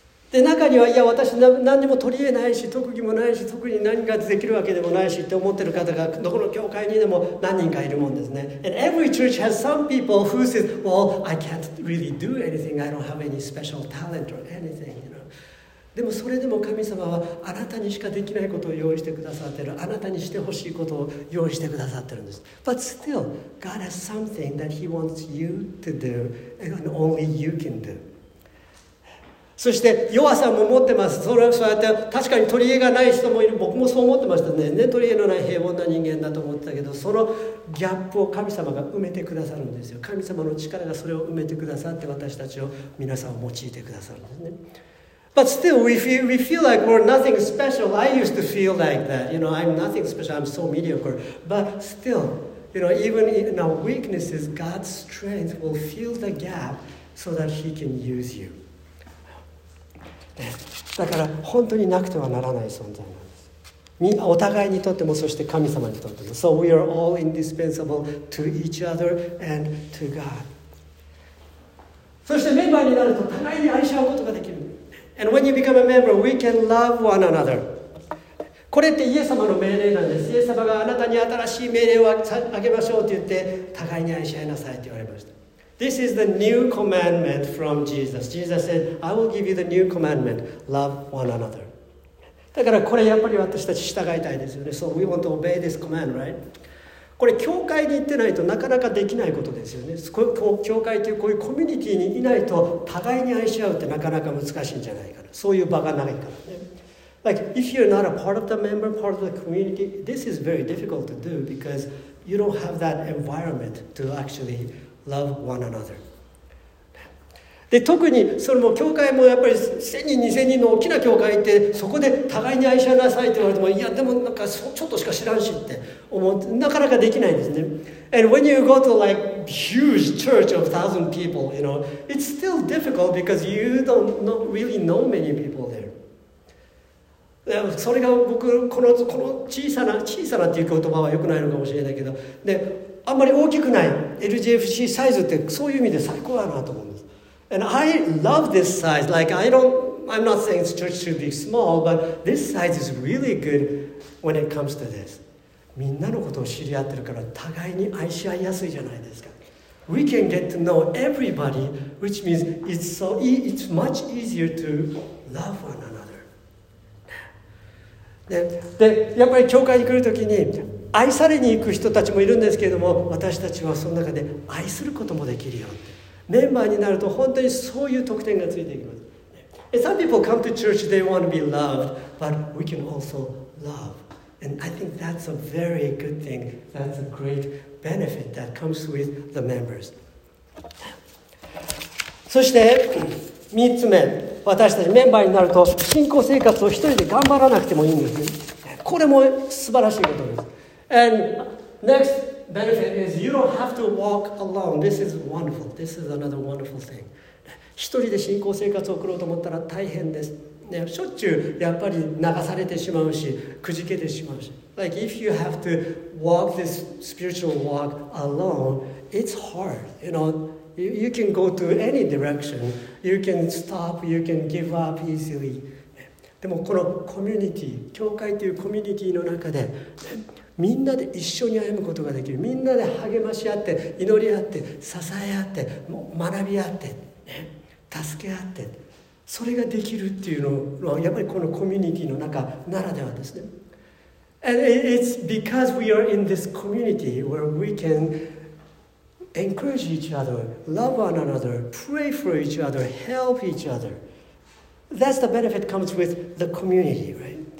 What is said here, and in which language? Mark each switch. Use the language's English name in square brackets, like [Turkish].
[Japanese] で中にはいや私何にも取り得ないし特技もないし特に何ができるわけでもないしって思ってる方がどこの教会にでも何人かいるもんですね。 [English] And every church has some people who says, well, I can't really do anything. I don't have any special talent or anything, you know. [Japanese] でもそれでも神様はあなたにしかできないことを用意してくださってる。あなたにしてほしいことを用意してくださってるんです。 [English] But still, God has something that He wants you to do and only you can do. [Japanese] そして弱さも持ってます。それはそうやって確かに取り柄がない人もいる。僕もそう思ってましたね。ね、取り柄のない平凡な人間だと思ってたけど、そのギャップを神様が埋めてくださるんですよ。神様の力がそれを埋めてくださって私たちを皆さんを用いてくださるんですね。 [English] But still, we feel like we're nothing special. I used to feel like that. You know, I'm nothing special. I'm so mediocre. But still, you know, even in our weaknesses, God's strength will fill the gap so that He can use you. [Japanese] だから本当になくてはならない存在なんです。お互いにとってもそして神様にとっても。 [English] So we are all indispensable to each other and to God. [Japanese] そしてメンバーになると互いに愛し合うことができる。 [English] And when you become a member, we can love one another. [Japanese] これってイエス様の命令なんです。イエス様があなたに新しい命令をあげましょうと言って互いに愛し合いなさいと言われました。 [English] This is the new commandment from Jesus. Jesus said, I will give you the new commandment, love one another. [Japanese] だからこれやっぱり私たち従いたいですよね。 [English] So we want to obey this command, right? [Japanese] これ教会に行ってないとなかなかできないことですよね。教会というこういうコミュニティにいないと互いに愛し合うってなかなか難しいんじゃないかな。そういう場がないからね。 [English] Like, if you're not a part of the member, part of the community, this is very difficult to do because you don't have that environment to actually...love one another. [Japanese] で特にそれも教会もやっぱり1000人2000人の大きな教会行ってそこで互いに愛し合いなさいって言われてもいやでもなんかちょっとしか知らんしって思ってなかなかできないんですね。 [English] And when you go to like huge church of 1000 people, you know, it's still difficult because you don't really know many people there. [Japanese] それが僕この小さなっていう言葉は良くないのかもしれないけどであんまり大きくない LGFC サイズってそういう意味で最高だなと思うんです。 [English] And I love this size. Like I'm not saying this church should be small, but this size is really good when it comes to this. [Japanese] みんなのことを知り合ってるから互いに愛し合いやすいじゃないですか。 [English] We can get to know everybody, which means it's much easier to love one another. [Japanese] でやっぱり教会に来るときに愛されに行く人たちもいるんですけれども私たちはその中で愛することもできるよメンバーになると本当にそういう特典がついていきます。 [English] Some people come to church, they want to be loved, but we can also love. And I think that's a very good thing. That's a great benefit that comes with the members. [Japanese] そして3つ目、私たちメンバーになると信仰生活を一人で頑張らなくてもいいんです。これも素晴らしいことです。 [English] And next benefit is you don't have to walk alone. This is wonderful. This is another wonderful thing. [Japanese] 一人で信仰生活を送ろうと思ったら大変です。ね、しょっちゅうやっぱり流されてしまうし、くじけてしまうし。 [English] Like if you have to walk this spiritual walk alone, it's hard. You know. You can go to any direction. You can stop. You can give up easily. [Japanese] でもこのコミュニティ、教会というコミュニティの中で、みんなで一緒に歩むことができる。みんなで励まし合って、祈り合って、支え合って、学び合って、助け合って、それができるっていうのはやっぱりこのコミュニティの中ならではですね。 [English] And it's because we are in this community where we canEncourage each other, love one another, pray for each other, help each other. That's the benefit comes with the community, right?